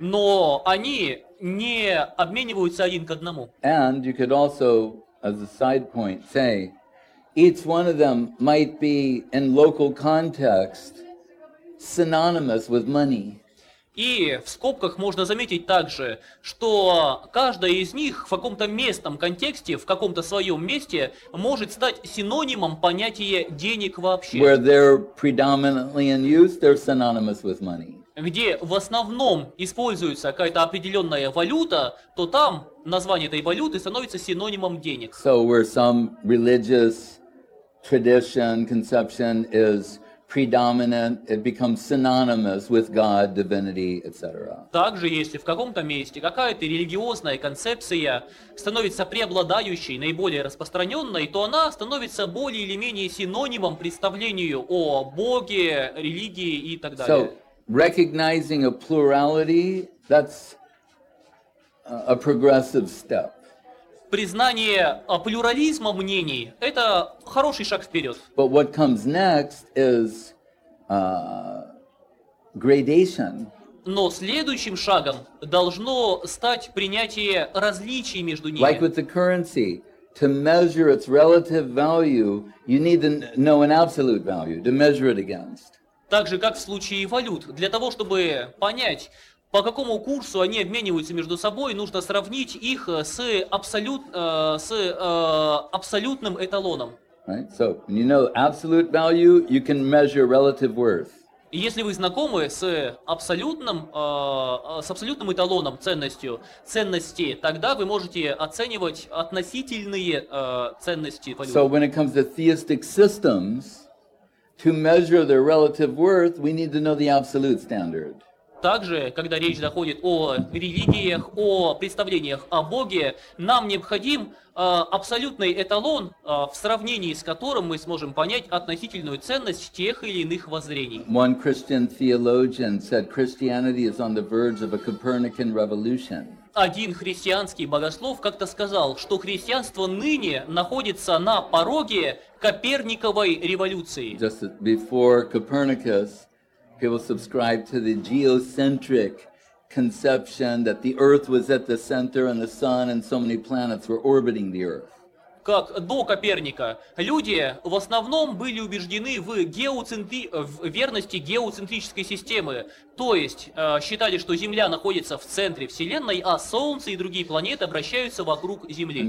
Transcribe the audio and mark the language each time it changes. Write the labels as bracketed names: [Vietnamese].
[Russian] Но они не обмениваются один к одному. [English] And you could also, as a side point, say each one of them might be in local context synonymous with money. [Russian] И в скобках можно заметить также, что каждая из них в каком-то местном контексте, в каком-то своем месте, может стать синонимом понятия денег вообще. [English] Where they're predominantly in use, they're synonymous with money. [Russian] Где в основном используется какая-то определенная валюта, то там название этой валюты становится синонимом денег. [English] So where some religious tradition conception is predominant, it becomes synonymous with God, divinity, etc. [Russian] Также, если в каком-то месте какая-то религиозная концепция становится преобладающей, наиболее распространенной, то она становится более или менее синонимом представлению о Боге, религии и так далее. [English] So, recognizing a plurality, that's a progressive step. [Russian] Признание плюрализма мнений – это хороший шаг вперед. [English] But what comes next is gradation. [Russian] Но следующим шагом должно стать принятие различий между ними. [English] Like with the currency, to measure its relative value, you need to know an absolute value to measure it against. [Russian] Так же, как в случае валют, для того, чтобы понять, по какому курсу они обмениваются между собой, нужно сравнить их с абсолютным эталоном. [English] Right. So, when you know absolute value, you can measure relative worth. [Russian] Если вы знакомы с абсолютным эталоном ценности, тогда вы можете оценивать относительные ценности валют. [English] So, when it comes to theistic systems, to measure their relative worth, we need to know the absolute standard. [Russian] Также, когда речь заходит о религиях, о представлениях о Боге, нам необходим абсолютный эталон, в сравнении с которым мы сможем понять относительную ценность тех или иных воззрений. [English] One Christian theologian said Christianity is on the verge of a Copernican revolution. [Russian] Один христианский богослов как-то сказал, что христианство ныне находится на пороге Коперниковой революции. [English] Just before Copernicus, people subscribe to the geocentric conception that the Earth was at the center and the Sun and so many planets were orbiting the Earth. [Russian] Как до Коперника, люди в основном были убеждены в верности геоцентрической системы, то есть считали, что Земля находится в центре Вселенной, а Солнце и другие планеты обращаются вокруг Земли.